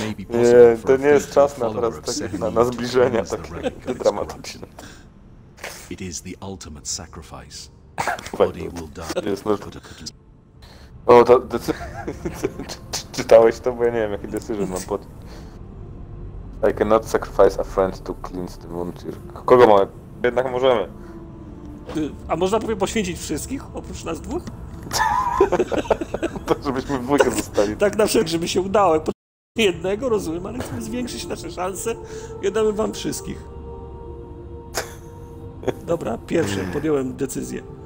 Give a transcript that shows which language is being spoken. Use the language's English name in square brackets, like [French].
[Polish] Nie, to nie jest czas na teraz na zbliżenia takie dramatyczne. [English] It is the ultimate sacrifice. Body will die. [Polish] O, to czytałeś to, bo ja nie wiem, jaki decyzję mam pod. [English] I cannot sacrifice a friend to cleanse the wound. [Polish] Kogo mamy? Jednak możemy. A można powiem poświęcić wszystkich, oprócz nas dwóch? To żebyśmy w dwójkę zostali. Tak na wszelki, żeby się udało. Jednego, rozumiem, ale chcemy zwiększyć nasze szanse i oddamy wam wszystkich. Dobra, pierwszy, podjąłem decyzję.